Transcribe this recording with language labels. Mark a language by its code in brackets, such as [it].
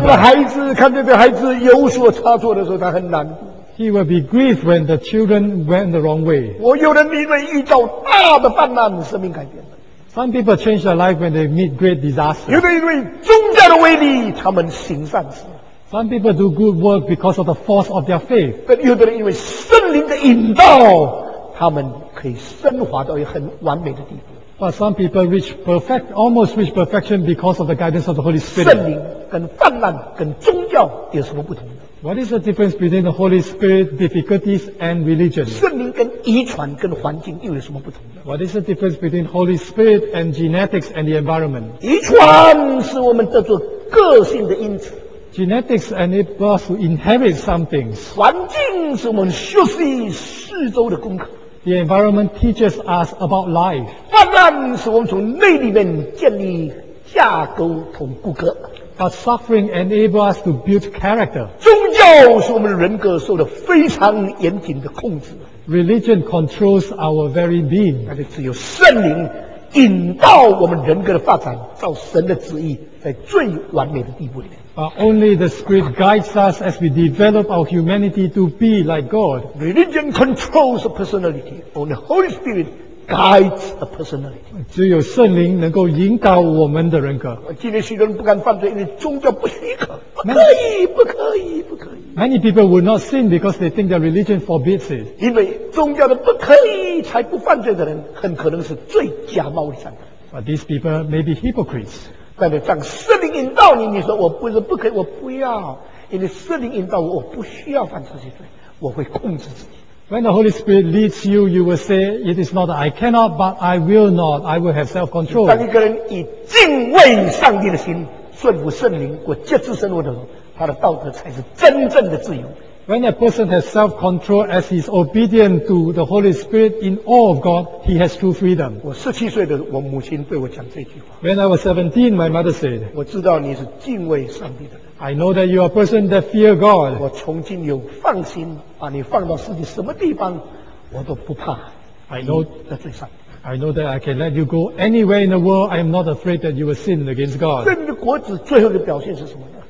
[zh] 生了孩子，看这个孩子有所差错的时候，他很难。 [en] He will be grieved when the children went the wrong way. [zh] 我有人因为遇到大的患难，生命改变了。 [en] Some people change their life when they meet great disasters. [zh] 有的因为宗教的威力，他们行善事。 [en] Some people do good work because of the force of their faith. [zh] 但有的人因为圣灵的引导，他们可以升华到一个很完美的地步。 [en] But some people reach perfect, almost reach perfection because of the guidance of the Holy Spirit. [zh] 圣灵跟患难跟宗教有什么不同？ [en] What is the difference between the Holy Spirit, difficulties, and religion? [zh] 圣灵跟遗传跟环境又有什么不同的 [en] ？What is the difference between Holy Spirit and genetics and the environment? [zh] 遗传是我们得做个性的因子。 [en] Genetics enable us to inherit some things. [zh] 环境是我们学习四周的功课。 [en] The environment teaches us about life. [zh] 患难是我们从内里面建立架构和骨骼。 [en] But suffering enables us to build character. [zh] 宗教使我们的人格受到非常严谨的控制。 [en] Religion controls our very being. [zh] 但是只有圣灵引导我们人格的发展，照神的旨意，在最完美的地步里面。 [en] But only the Spirit guides us as we develop our humanity to be like God. Religion controls the personality. Only the Holy Spirit guides the personality. [zh] 只有圣灵能够引导我们的人格。今天许多人不敢犯罪，因为宗教不许可，不可以。 [en] Many people will not sin because they think their religion forbids it. [zh] 因为宗教的不可以才不犯罪的人，很可能是最假冒的善。 [en] But these people may be hypocrites. [zh] 但是当圣灵引导你，你说我不是不可以，我不要，因为圣灵引导我，我不需要犯这些罪，我会控制自己。 [en] When the Holy Spirit leads you, you will say, it is not that I cannot, but I will not. I will have self-control. [zh] 当一个人以敬畏上帝的心，顺服圣灵，过节制生活的时候，他的道德才是真正的自由， [en] When a person has self-control as he's obedient to the Holy Spirit in awe of God, he has true freedom. [zh] 我17岁的我母亲对我讲这句话。 [en] When I was 17, my mother said, [zh] 我知道你是敬畏上帝的人。 [en] I know that you are a person that fear God. [zh] 我从今有放心把你放到世界什么地方我都不怕。 [en] I know that I can let you go anywhere in the world. I am not afraid that you will sin against God. [zh] 圣灵的果子最后的表现是什么呢?